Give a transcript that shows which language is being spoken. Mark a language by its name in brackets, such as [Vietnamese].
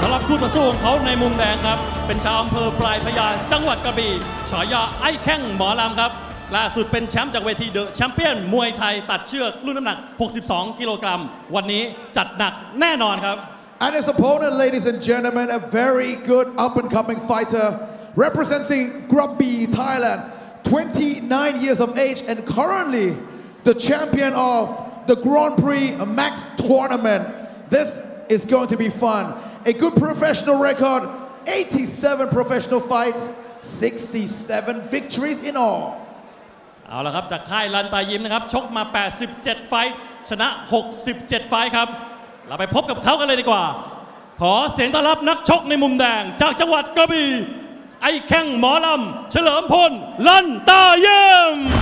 [Thai] คู่ต่อสู้ของเขาในมุมแดงครับเป็นชาวอำเภอปลายพญาจังหวัดกระบี่ฉายาไอ้แข้งหมอลำครับล่าสุดเป็นแชมป์จากเวทีเดอะแชมเปี้ยนมวยไทยตัดเชือกรุ่นน้ำหนัก62กิโลกรัมวันนี้จัดหนักแน่นอนครับ [English] And his opponent, ladies and gentlemen, a very good up and coming fighter representing Grubby Thailand 29 years of age and currently the champion of the Grand Prix Max Tournament This is going to be funA good professional record, 87 professional fights, 67 victories in all. [Thai] เอาละครับจากค่ายลันตายิมนะครับชกมา87ไฟต์ชนะ67ไฟต์ครับเราไปพบกับเขากันเลยดีกว่าขอเสียงต้อนรับนักชกในมุมแดงจากจังหวัดกระบี่ไอ้แข้งหมอลำเฉลิมพลลันตายิม